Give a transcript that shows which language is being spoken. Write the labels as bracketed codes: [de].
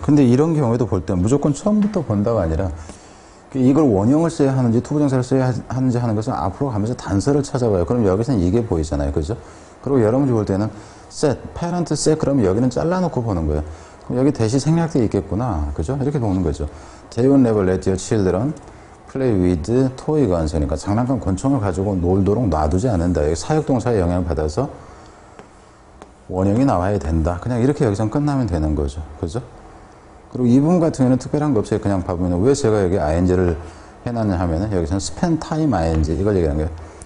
[ko] 근데 이런 경우에도 볼 때 무조건 처음부터 본다가 아니라 이걸 원형을 써야 하는지 투부정사를 써야 하는지 하는 것은 앞으로 가면서 단서를 찾아봐요. 그럼 여기서는 이게 보이잖아요. 그죠? 그리고 여러분이 볼 때는 set, parent set 그러면 여기는 잘라놓고 보는 거예요. 그럼 여기 대시 생략되어 있겠구나. 그죠? 이렇게 보는 거죠. [en] They will never let your children play with toy guns. [ko] 그러니까 장난감 권총을 가지고 놀도록 놔두지 않는다. 여기 사역동사의 영향을 받아서 원형이 나와야 된다. 그냥 이렇게 여기서 끝나면 되는 거죠. 그죠? 그리고 이 부분 같은 경우에는 특별한 거 없어요. 그냥 봐보면 왜 제가 여기 ing를 해놨냐 하면은 여기서는 [en] spend time ing [ko] 이걸 얘기하는 거예요.